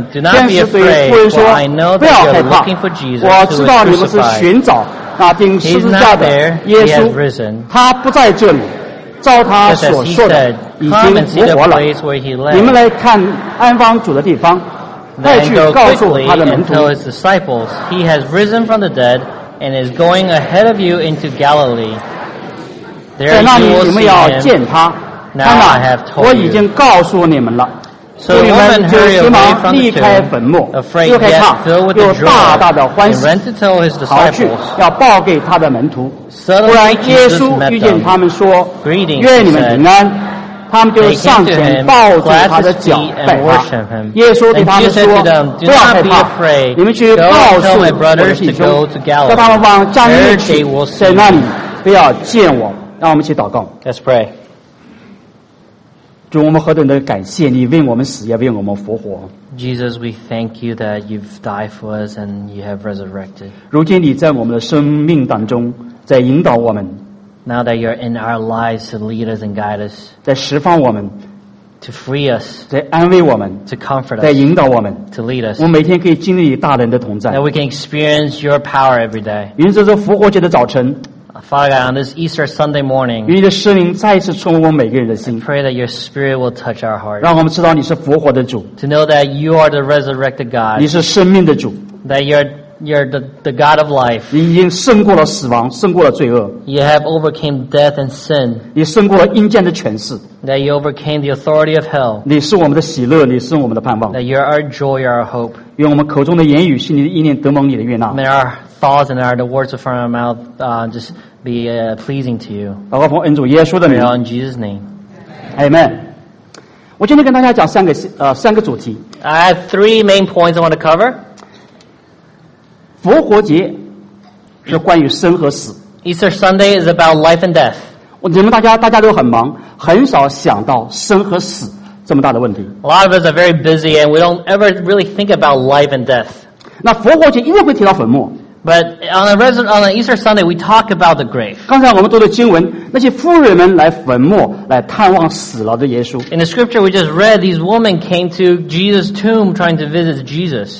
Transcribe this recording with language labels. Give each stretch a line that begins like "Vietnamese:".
Chinese: 天使对妇人说：“不要害怕，我知道你们是寻找那钉十字架的耶稣。他不在这里，照他所说的已经复活了。你们来看安放主的地方，再去告诉他的门徒。
English: He has risen from the dead and is going ahead of you into Galilee.
Chinese: 在那里你们要见他，看哪，我已经告诉你们了。所以你们就急忙离开坟墓，又害怕，又大大的欢喜，逃去，要报给他的门徒。忽然耶稣遇见他们说：“愿你们平安。” 他们就上前抱住他的脚，拜他。耶稣对他们说：“不要害怕，你们去告诉我的弟兄，叫他们往加利利去，在那里不要见我。” 让我们一起祷告。
English: Let's pray.
Chinese: 主，我们何等的感谢你为我们死，也为我们复活。
English: Jesus, we thank you that you've died for us and you have resurrected.
Chinese: 如今你在我们的生命当中，在引导我们。
English: Now that you're in our lives to lead us and guide us.
Chinese: 在释放我们。
English: To free us.
Chinese: 在安慰我们。
English: To comfort us.
Chinese: 在引导我们。
English: To lead us.
Chinese: 我们每天可以经历大能的同在。
English: That we can experience your power every day.
Chinese: 因此，这复活节的早晨。
English: Father God, on this Easter Sunday morning,
Chinese: 与你的圣灵再次触摸每个人的心。
English: I pray that your spirit will touch our heart.
Chinese: 让我们知道你是复活的主。
English: To know that you are the resurrected God.
Chinese: 你是生命的主。
English: That you're the God of life.
Chinese: 你已经胜过了死亡，胜过了罪恶。
English: You have overcame death and sin.
Chinese: 你胜过了阴间的权势。
English: That you overcame the authority of hell.
Chinese: 你是我们的喜乐，你是我们的盼望。
English: That you're our joy, our hope.
Chinese: 愿我们口中的言语，心里的意念得蒙你的悦纳。
English: May our thoughts and the words from our mouth just be pleasing to you.
Chinese: 祷告奉恩主耶稣的名。
English: In Jesus' name. Amen.
Chinese: 我今天跟大家讲三个主题。
English: I have three main points I want to cover.
Chinese: 复活节是关于生和死。
English: Easter Sunday is about life and death.
Chinese: 你们大家都很忙，很少想到生和死这么大的问题。
English: A lot of us are very busy and we don't ever really think about life and death.
Chinese: 那复活节一定会提到坟墓。
English: But on Easter Sunday, we talk about the grave.
Chinese: 刚才我们读的经文，那些妇人们来坟墓来探望死了的耶稣。
English: In the scripture we just read, these women came to Jesus' tomb trying to visit Jesus.